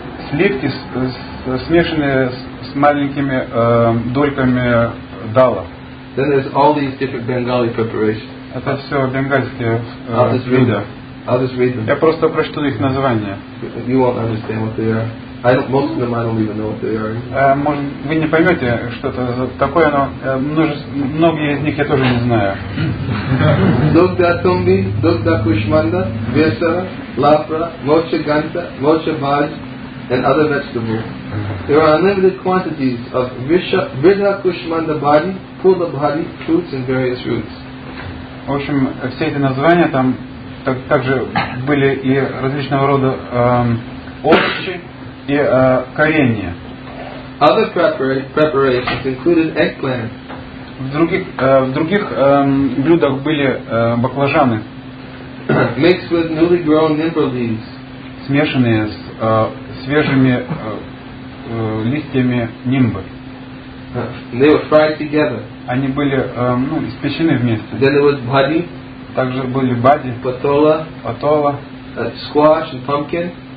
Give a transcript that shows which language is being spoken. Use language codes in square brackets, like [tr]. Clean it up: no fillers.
[ru] Сливки, смешанные с маленькими дольками дала. [en] Then there's all these different Bengali preparations. [ru] Это все бенгальские блюда. [en] I'll just read them. [ru] Я просто прочту их названия. [en] You won't understand what they are. I don't, most of them I don't even know what they are. [ru] Может, вы не поймете, что это такое, но многие из них я тоже не знаю. [en] Dogda tombi, dogda kushmanda, vesara, lapra, mocha ganta, mocha bhaj, and other vegetables. There are unlimited quantities of vidha kushmanda bhaji, pula bhaji, fruits and various roots. [ru] В общем, все эти названия там также были и различного рода овощи и коренья. [en] Other preparations included eggplant. [ru] В других блюдах были баклажаны. [en] Mixed with newly grown nimble leaves. [ru] Смешанные с свежими листьями нимбы. [en] They were fried together. [ru] Они были испечены вместе. [en] Then there was bhaji. [ru] Также были бади, патола, squash и pumpkin.